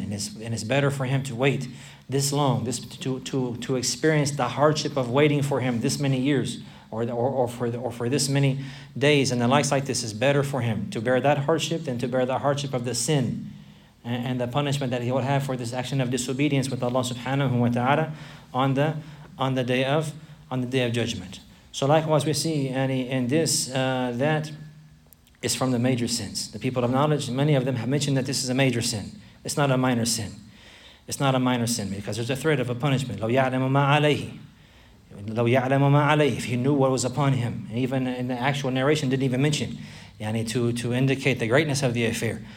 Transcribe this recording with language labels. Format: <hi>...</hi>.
<en>And it's better for him to wait this long, to experience the hardship of waiting for him this many years, or for this many days and the likes like this, is better for him to bear that hardship than to bear the hardship of the sin and the punishment that he will have for this action of disobedience with Allah subhanahu wa ta'ala on the day of judgment. So likewise we see that is from the major sins. The people of knowledge, many of them have mentioned that this is a major sin. It's not a minor sin. It's not a minor sin because there's a threat of a punishment.</en> <ar>لَوْ يَعْلَمُ مَا عَلَيْهِ لَوْ يَعْلَمُ مَا عَلَيْهِ.</ar> <en>If he knew what was upon him. And even in the actual narration didn't even mention. Yani to indicate the greatness of the affair.</en>